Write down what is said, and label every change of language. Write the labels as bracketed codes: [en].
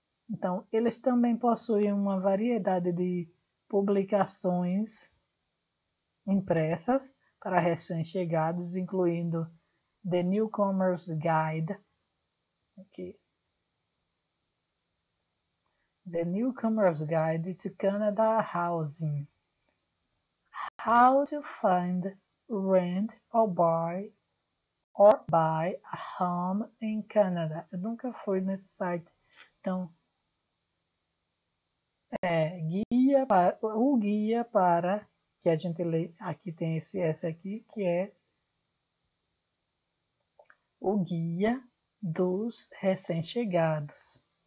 [pt] Então, eles também possuem uma variedade de publicações impressas para recém-chegados, incluindo The Newcomer's Guide, aqui, [en] The Newcomer's Guide to Canada Housing. How to find, rent or buy a home in Canada. [pt] Eu nunca fui nesse site. Então, o guia para que a gente lê, aqui tem esse aqui, que é o guia dos recém-chegados.